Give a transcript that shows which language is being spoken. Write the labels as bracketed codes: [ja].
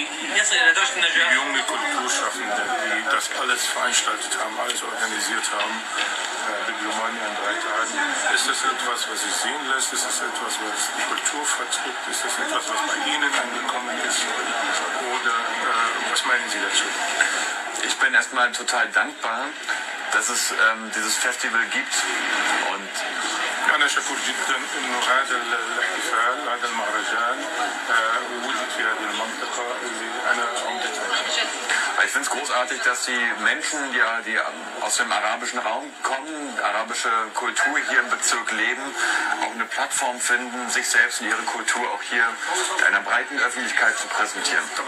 [de] Die junge Kulturschaffende, die das alles veranstaltet haben, alles organisiert haben, Biblomania in drei Tagen, ist das etwas, was sich sehen lässt? Ist das etwas, was die Kultur vertritt? Ist das etwas, was bei Ihnen angekommen ist? Oder was meinen Sie dazu? Ich bin erstmal total dankbar, dass es dieses Festival gibt. Und [ar] أنا شكور جدا إنه هذا الاحتفال، هذا المهرجان وجد في هذه المنطقة اللي أنا عمدتها. [de] Ich finde es großartig, dass die Menschen, die aus dem arabischen Raum kommen, arabische Kultur hier im Bezirk leben, auch eine Plattform finden, sich selbst und ihre Kultur auch hier einer breiten Öffentlichkeit zu präsentieren.